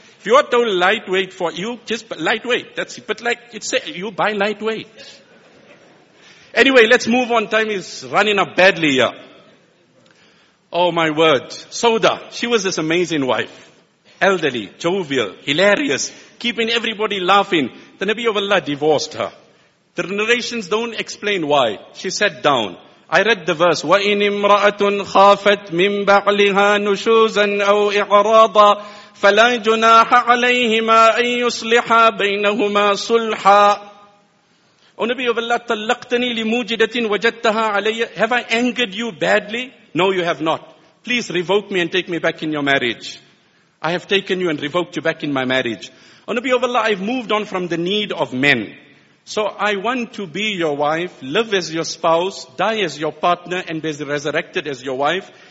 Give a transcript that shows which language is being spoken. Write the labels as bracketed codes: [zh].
[en] If you are told lightweight for you, just lightweight. That's it. But like it say, you buy lightweight. Anyway, let's move on. Time is running up badly here. Oh my word. Sauda. She was this amazing wife. Elderly, jovial, hilarious, keeping everybody laughing. The Nabi of Allah divorced her. The narrations don't explain why. She sat down. I read the verse, [ar] وَإِنِ امْرَأَةٌ خَافَتْ مِنْ بَعْلِهَا نُشُوزًا أَوْ إِعْرَاضًا فَلَا جُنَاحَ عَلَيْهِمَا أَن يُصْلِحَا بَيْنَهُمَا صُلْحًا. [en] O Nabi of Allah, [ar] طَلَّقْتَنِي لِمُوجِدَةٍ وَجَدْتَهَا عَلَيَّ. [en] Have I angered you badly? No, you have not. Please revoke me and take me back in your marriage. I have taken you and revoked you back in my marriage. O Nabi of Allah, I've moved on from the need of men. So I want to be your wife, live as your spouse, die as your partner, and be resurrected as your wife.